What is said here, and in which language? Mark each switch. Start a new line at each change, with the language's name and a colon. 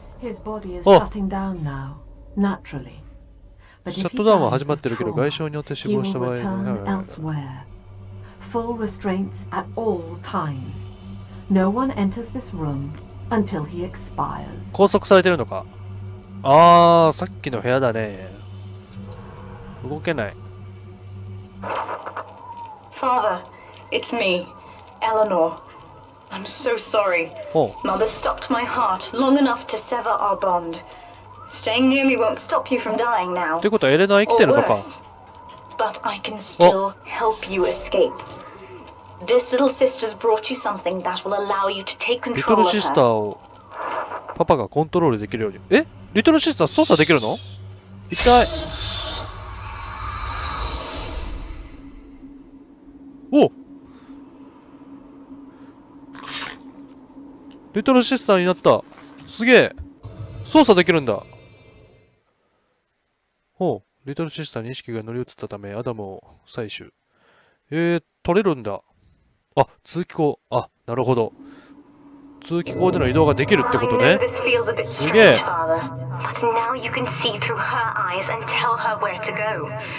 Japanese: シャットダウンは始まってるけど、外傷によって死亡した場合は、はい、
English: Full restraints at all times. No one enters this room until he expires.
Japanese: 拘束されてるのか。ああ、さっきの部屋だね。動けない。
English: Father, it's me, Eleanor. I'm so sorry. Mother stopped my heart long enough to sever our bond. Staying near me won't stop you from dying now.
Japanese: ってことはエレナは生きてるのか。
English: But I can still help you escape. This little sister's brought you something that will allow you to take control of her.
Japanese: リトルシスターをパパがコントロールできるように。え、リトルシスター操作できるの？一体。お。リトルシスターになった。すげえ。操作できるんだ。ほう。リトルシスターに意識が乗り移ったため、アダムを採取。取れるんだ。あ、通気口。あ、なるほど。通気口での移動ができるってことね。すげえ。
English: But now you can see through her eyes and tell her where to go.